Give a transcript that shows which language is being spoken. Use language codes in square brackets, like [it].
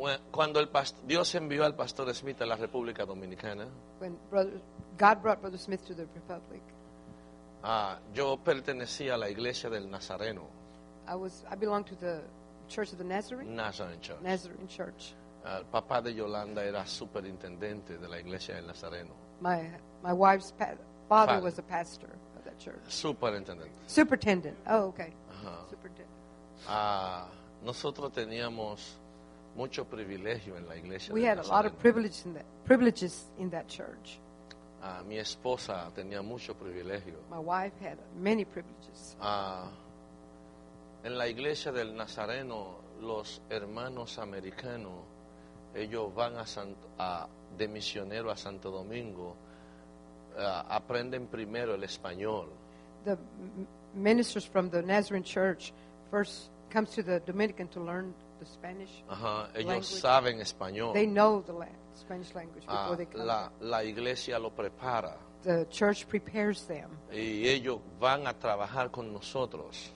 [es] Cuando el pastor, Dios envió al pastor Smith a la República Dominicana. [en] When God brought Brother Smith to the Republic. [es] Yo pertenecía a la iglesia del Nazareno. [en] I belonged to the Church of the Nazarene. Nazarene Church. Nazarene Church. [es] El papá de Yolanda era superintendente de la iglesia del Nazareno. [en] My wife's father was a pastor of that church. [es] Superintendente. [en] Superintendent. Oh, okay. [es] Superintendent. Nosotros teníamos mucho privilegio en la iglesia. [en] We had [es] Nazareno. [en] A lot of privileges in that church. [es] Mi esposa tenía mucho privilegio. [en] My wife had many privileges. [es] En la iglesia del Nazareno, los hermanos americanos, ellos van de misionero a Santo Domingo, aprenden primero el español. [en] The ministers from the Nazarene Church first comes to the Dominican to learn the Spanish. [es] Ellos language. Saben español. [en] They know the Spanish language before they come. [es] La iglesia lo prepara. [en] The church prepares them. [es] Y ellos van a trabajar con nosotros.